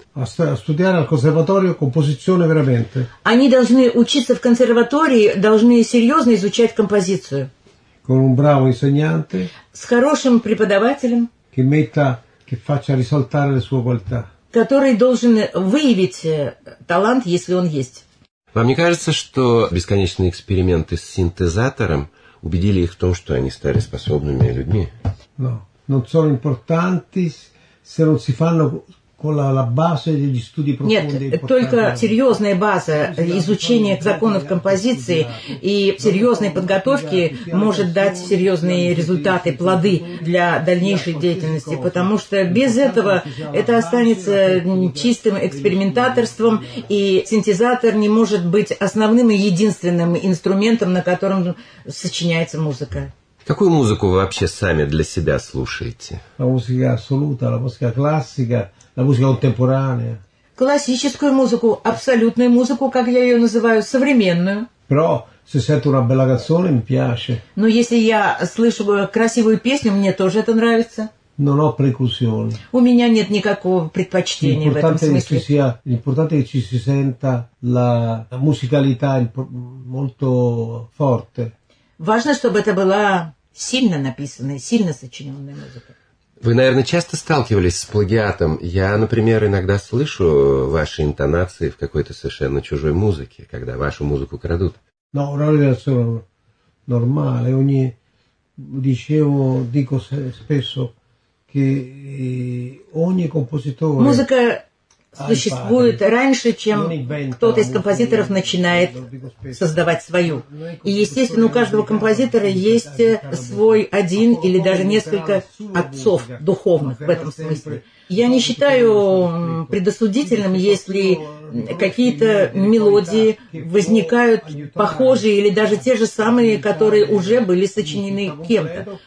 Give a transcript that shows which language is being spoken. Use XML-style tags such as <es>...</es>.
<it>Studiare al conservatorio composizione veramente.</it> <ru>Они должны учиться в консерватории, должны серьезно изучать композицию.</ru> <it>Con un bravo insegnante.</it> <ru>С хорошим преподавателем.</ru> <it>Che metta, che faccia risaltare le sue qualità.</it> <ru>Который должен выявить талант, если он есть. Вам не кажется, что бесконечные эксперименты с синтезатором убедили их в том, что они стали способными людьми?</ru> <it>No, non sono importanti se non si fanno con la base degli studi profondi.</it> <ru>Нет, только серьезная база изучения законов композиции и серьезной подготовки может дать серьезные результаты, плоды для дальнейшей деятельности, потому что без этого это останется чистым экспериментаторством, и синтезатор не может быть основным и единственным инструментом, на котором сочиняется музыка. Какую музыку вы вообще сами для себя слушаете?</ru> <it>La musica assoluta, la musica classica, la musica contemporanea.</it> <ru>Классическую музыку, абсолютную музыку, как я ее называю, современную.</ru> <it>Però se sento una bella canzone, mi piace.</it> <ru>Но если я слышу красивую песню, мне тоже это нравится.</ru> <it>Non ho preclusioni.</it> <ru>У меня нет никакого предпочтения в этом смысле.</ru> <it>L'importante è che ci si senta la musicalità molto forte.</it> <ru>Важно, чтобы это была сильно написанная, сильно сочиненная музыка. Вы, наверное, часто сталкивались с плагиатом. Я, например, иногда слышу ваши интонации в какой-то совершенно чужой музыке, когда вашу музыку крадут.</ru> <it>No, realizzazione normale. Ogni dicevo, dico spesso che ogni compositore.</it> <ru>Музыка существует раньше, чем кто-то из композиторов начинает создавать свою. И, естественно, у каждого композитора есть свой один или даже несколько отцов духовных в этом смысле. Я не считаю предосудительным, если какие-то мелодии возникают похожие или даже те же самые, которые уже были сочинены кем-то.</ru>